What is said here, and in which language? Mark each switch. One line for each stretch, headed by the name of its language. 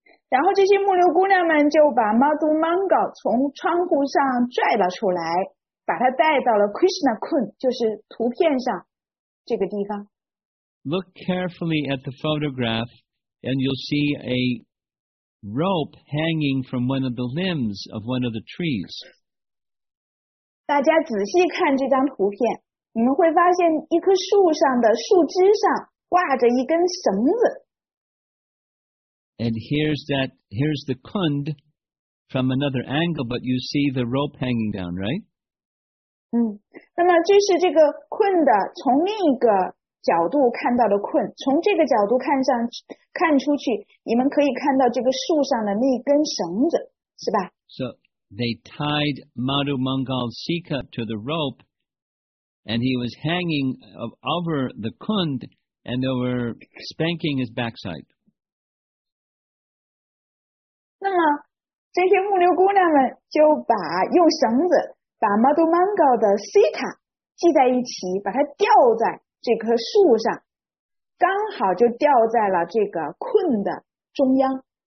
Chinese: 然后这些牧牛姑娘们就把 Madhu Mangal 从窗户上拽了出来，把他带到了 Krishna Kund, 就是图片上这个地方。
English: Look carefully at the photograph, and you'll see a rope hanging from one of the limbs of one of the trees.
Chinese: 大家仔细看这张图片，你们会发现一棵树上的树枝上挂着一根绳子。
English: And here's the kund from another angle, but you see the rope hanging down, right?
Chinese: 嗯，那么这是这个困的从另一个角度看到的困，从这个角度看出去，你们可以看到这个树上的那根绳子，是吧？
English: So they tied Madhu Mangal Sika to the rope, and he was hanging over the kund, and they were spanking his backside.
Chinese: 那么这些牧牛姑娘们就把用绳子把 Madhu Mangal 的 Sika 系在一起，把它吊在这棵树上，刚好就吊在了这个困的中央。